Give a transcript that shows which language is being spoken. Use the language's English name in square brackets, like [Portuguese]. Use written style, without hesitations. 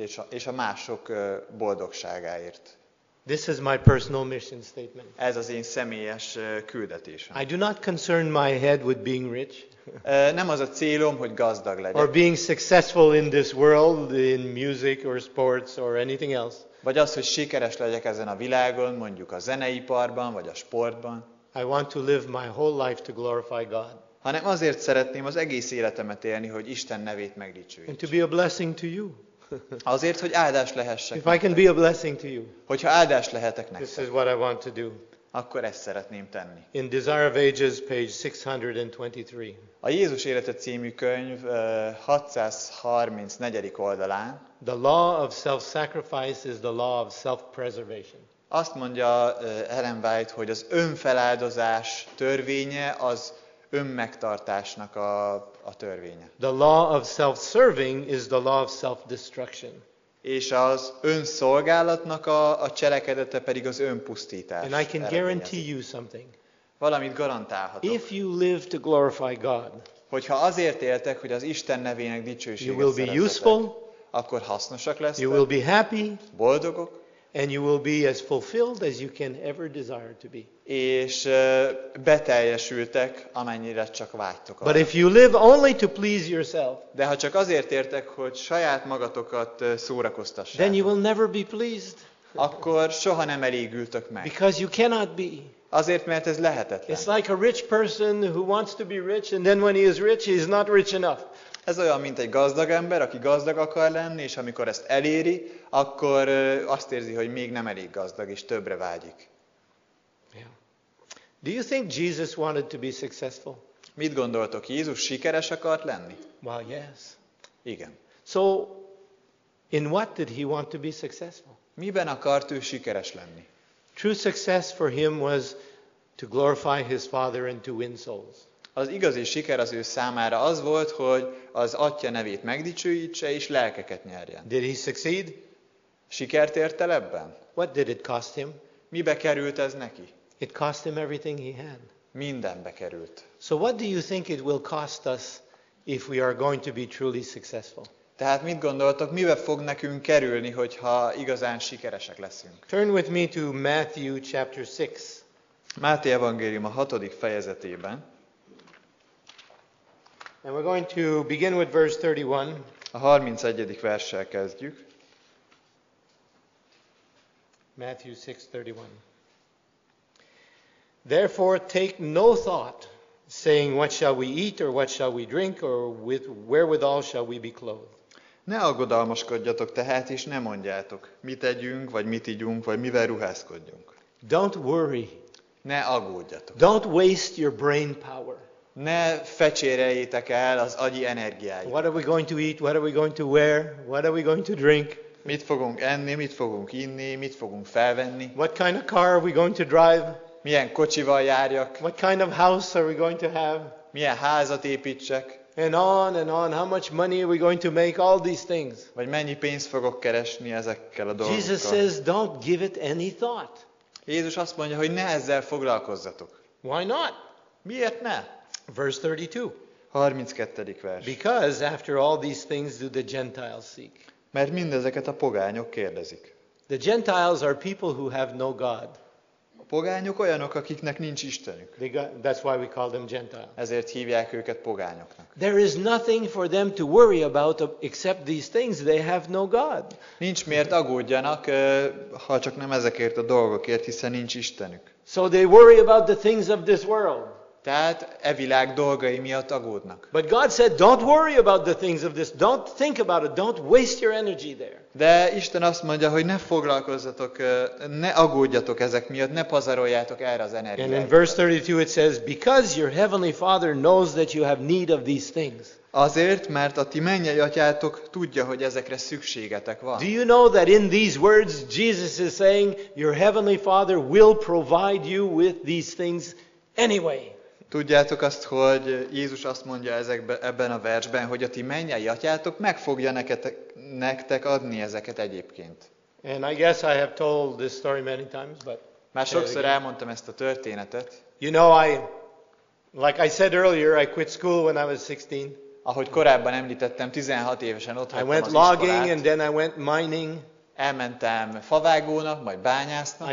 [Hungarian] És a mások boldogságáért. [English] This is my personal mission statement. [Hungarian] Ez az én személyes küldetésem. [English] I do not concern my head with being rich. [Hungarian] Nem az a célom, hogy gazdag legyek. [English] Or being successful in this world, in music or sports or anything else. [Hungarian] Vagy az, hogy sikeres legyek ezen a világon, mondjuk a zeneiparban vagy a sportban. [English] I want to live my whole life to glorify God. [Hungarian] Hanem azért szeretném az egész életemet élni, hogy Isten nevét megdicsőítsem. [English] And to be a blessing to you. [Hungarian] Azért, hogy áldás lehessek. [English] If I can be a blessing to you. [Hungarian] Hogyha áldás lehetek nektek. [English] This is what I want to do. [Hungarian] Akkor ezt szeretném tenni. [English] In Desire of Ages, page 623. [Hungarian] A Jézus élete című könyv 634. oldalán. [English] The law of self-sacrifice is the law of self-preservation. [Hungarian] Azt mondja Ellen White, hogy az önfeláldozás törvénye az önmegtartásnak a törvénye. [English] The law of self-serving is the law of self-destruction. [Hungarian] És az önszolgálatnak a cselekedete pedig az önpusztítás. [English] And I can guarantee you something. [Hungarian] Valamit garantálhatok. [English] If you live to glorify God, [Hungarian] hogyha azért éltek, hogy az Isten nevének dicsőséget [English] you will be useful, [Hungarian] akkor hasznosak lesztek. [English] You will be happy, [Hungarian] boldogok. [English] And you will be as fulfilled as you can ever desire to be. [Hungarian] És beteljesültek, amennyire csak vágytok. [English] But if you live only to please yourself, [Hungarian] de ha csak azért értek, hogy saját magatokat szórakoztassátok, [English] then you will never be pleased. [Hungarian] Akkor soha nem elégültök meg. [English] Because you cannot be. [Hungarian] Azért, mert ez lehetetlen. [English] It's like a rich person who wants to be rich, and then when he is rich, he is not rich enough. [Hungarian] Ez olyan, mint egy gazdag ember, aki gazdag akar lenni, és amikor ezt eléri, akkor azt érzi, hogy még nem elég gazdag, és többre vágyik. Yeah. [English] Do you think Jesus wanted to be successful? [Hungarian] Mit gondoltok, Jézus sikeres akart lenni? [English] Well, yes. [Hungarian] Igen. [English] So, in what did he want to be successful? [Hungarian] Miben akart ő sikeres lenni? [English] True success for him was to glorify his Father and to win souls. [Hungarian] Az igazi siker az ő számára az volt, hogy az Atya nevét megdicsőítse és lelkeket nyerjen. [English] Did he succeed? [Hungarian] Sikert ért el ebben? [English] What did it cost him? [Hungarian] Mibe került ez neki? [English] It cost him everything he had. [Hungarian] Mindenbe került. [English] So what do you think it will cost us if we are going to be truly successful? [Hungarian] Tehát mit gondoltok, mibe fog nekünk kerülni, hogyha igazán sikeresek leszünk? [English] Turn with me to Matthew chapter 6. [Hungarian] Máté evangélium a 6. fejezetében. [English] And we're going to begin with verse 31. [Hungarian] A 31. verssel kezdjük. [English] Matthew 6:31. Therefore take no thought, saying, what shall we eat, or what shall we drink, or with wherewithal shall we be clothed. [Hungarian] Ne aggodalmaskodjatok tehát, és ne mondjátok, mit tegyünk, vagy mit igyunk, vagy mivel ruházkodjunk. [English] Don't worry. [Hungarian] Ne aggódjatok. [English] Don't waste your brain power. [Hungarian] Ne fecséreljétek el az agyi energiáit. [English] What are we going to eat? What are we going to wear? What are we going to drink? [Hungarian] Mit fogunk enni, mit fogunk inni, mit fogunk felvenni? [English] What kind of car are we going to drive? [Hungarian] Milyen kocsival járjak? [English] What kind of house are we going to have? [Hungarian] Milyen házat építsek? [English] And on, how much money are we going to make? All these things. [Hungarian] Vagy mennyi pénzt fogok keresni ezekkel a dolgokkal? [English] Jesus says, don't give it any thought. [Hungarian] Jézus azt mondja, hogy ne ezzel foglalkozzatok. [English] Why not? [Hungarian] Miért ne? [English] Verse 32. [Hungarian] 32. vers. [English] Because after all these things do the Gentiles seek. [Hungarian] Mert mindezeket a pogányok kérdezik. [English] The Gentiles are people who have no God. [Hungarian] A pogányok olyanok, akiknek nincs Istenük. [English] That's why we call them Gentiles. [Hungarian] Ezért hívják őket pogányoknak. [English] There is nothing for them to worry about except these things. They have no God. [Hungarian] Nincs miért aggódjanak, ha csak nem ezekért a dolgokért, hiszen nincs Istenük. [English] So they worry about the things of this world. [Hungarian] Tehát e világ dolgai miatt aggódnak. [English] But God said, don't worry about the things of this. Don't think about it. Don't waste your energy there. [Hungarian] De Isten azt mondja, hogy ne foglalkozzatok, ne aggódjatok ezek miatt, ne pazaroljátok erre az energiát. [English] And in verse 32 it says, because your heavenly Father knows that you have need of these things. [Hungarian] Azért, mert a ti mennyei atyátok tudja, hogy ezekre szükségetek van. [English] Do you know that in these words Jesus is saying, your heavenly Father will provide you with these things anyway. [Hungarian] Tudjátok azt, hogy Jézus azt mondja ebben a versben, hogy a ti mennyei atyátok meg fogja nektek adni ezeket egyébként. [English] And I guess I have told this story many times, but [Hungarian] már sokszor elmondtam ezt a történetet. [English] You know, like I said earlier, I quit school when I was 16. [Hungarian] Ahogy korábban említettem, 16 évesen ott hagytam az iskolát. [English] I went logging and then I went mining. [Hungarian] Elmentem favágónak, majd bányásznak.